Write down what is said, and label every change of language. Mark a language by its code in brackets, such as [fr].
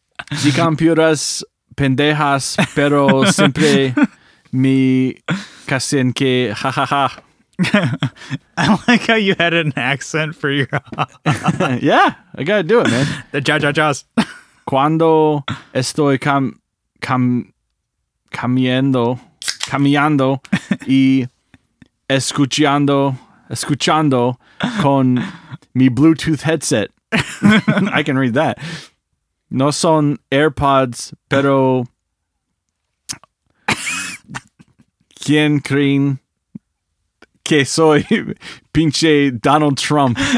[es] Dicen puras pendejas, pero siempre me casen que jajaja. [en] I like how you had an accent for your Yeah, I gotta do it, man. The ja-ja-jas. [es] Cuando estoy caminando y escuchando con mi Bluetooth headset. [en] I can read that. [es] No son AirPods, pero ¿quién creen que soy pinche Donald Trump?